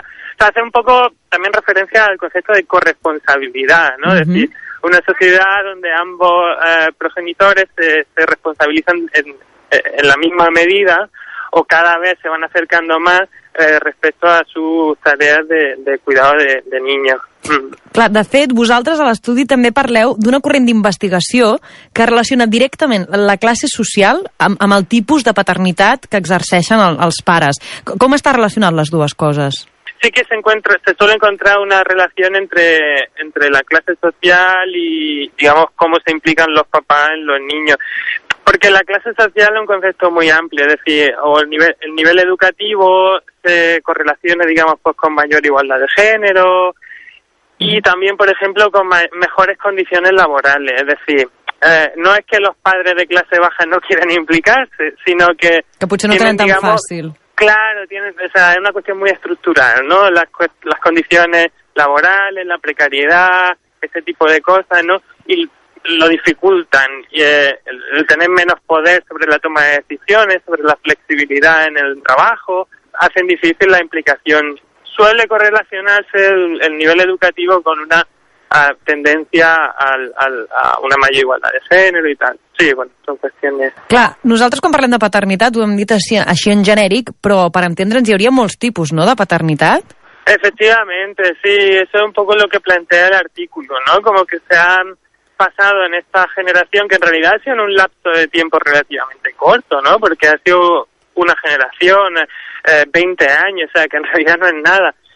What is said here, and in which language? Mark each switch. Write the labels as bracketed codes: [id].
[es] O sea, hace un poco también referencia al concepto de corresponsabilidad, ¿no? Es decir, una sociedad donde ambos progenitores se responsabilizan en la misma medida o cada vez se van acercando más respecto a sus tareas de cuidado de niños. [ca] Clar, de fet, vosaltres a l'estudi també parleu d'una corrent d'investigació que relaciona directament la classe social amb el tipus de paternitat que exerceixen els pares. Com està relacionat les dues coses? [es] Sí que se suele encontrar una relación entre la clase social y, digamos, cómo se implican los papás en los niños. Porque la clase social es un concepto muy amplio, es decir, o el nivel educativo se correlaciona, digamos, pues con mayor igualdad de género y también, por ejemplo, con mejores condiciones laborales. Es decir, no es que los padres de clase baja no quieran implicarse, sino que... [ca] Que potser no tenen, digamos, [es] tan fácil. Claro, es una cuestión muy estructural, ¿no? Las condiciones laborales, la precariedad, ese tipo de cosas, ¿no? Y lo dificultan, y el tener menos poder sobre la toma de decisiones, sobre la flexibilidad en el trabajo, hacen difícil la implicación. Suele correlacionarse el nivel educativo con una [ca] tendencia a una major igualtat de gènere i tal. Sí, bueno, són qüestions... Clar, nosaltres quan parlem de paternitat ho hem dit així, així en genèric, però per entendre'ns hi hauria molts tipus, no?, de paternitat. [es] Efectivamente, sí, eso es un poco lo que plantea el artículo, ¿no? Como que se han pasado en esta generación, que en realidad ha sido en un lapso de tiempo relativamente corto, ¿no? Porque ha sido una generación, 20 años, o sea, que en realidad no es nada.